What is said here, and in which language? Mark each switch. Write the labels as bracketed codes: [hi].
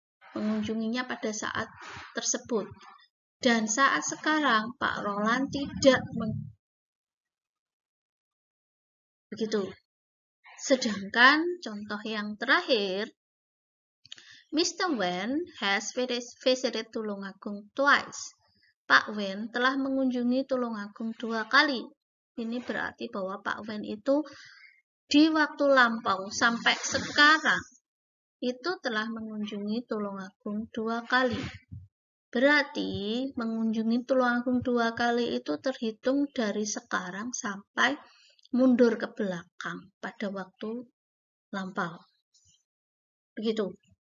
[id] Mengunjunginya pada saat tersebut. Dan saat sekarang Pak Roland tidak begitu. Sedangkan contoh yang terakhir, Mr. [en] Wen has visited Tulungagung twice. [id] Pak Wen telah mengunjungi Tulungagung dua kali. Ini berarti bahwa Pak Wen itu di waktu lampau sampai sekarang itu telah mengunjungi Tulungagung dua kali. Berarti mengunjungi Tulungagung dua kali itu terhitung dari sekarang sampai mundur ke belakang pada waktu lampau. Begitu.